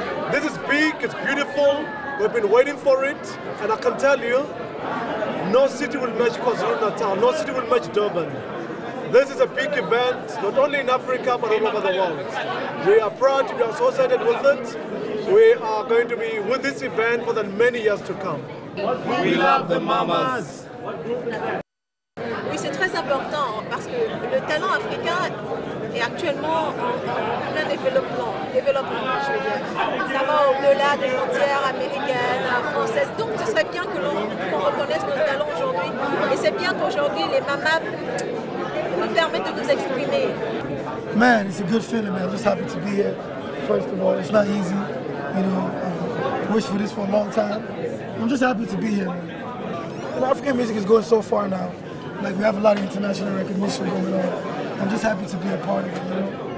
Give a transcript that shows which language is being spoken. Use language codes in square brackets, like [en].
[en] This is big, it's beautiful. We've been waiting for it, and I can tell you, no city will match KwaZulu-Natal, no city will match Durban. This is a big event, not only in Africa, but all over the world. We are proud to be associated with it. We are going to be with this event for the many years to come. We love the mamas. [fr] Oui, c'est très important, parce que le talent africain est actuellement en plein développement, je veux dire. Ça va au-delà des frontières américaines, françaises. Donc, ce serait bien que qu'on reconnaisse nos talents aujourd'hui. Et c'est bien qu'aujourd'hui, les mamas nous permettent de nous exprimer. [en] Man, it's a good feeling, man. I'm just happy to be here. First of all, it's not easy. You know, I've wished for this for a long time. I'm just happy to be here, man. And African music is going so far now. Like, we have a lot of international recognition going on. I'm just happy to be a part of it, you know?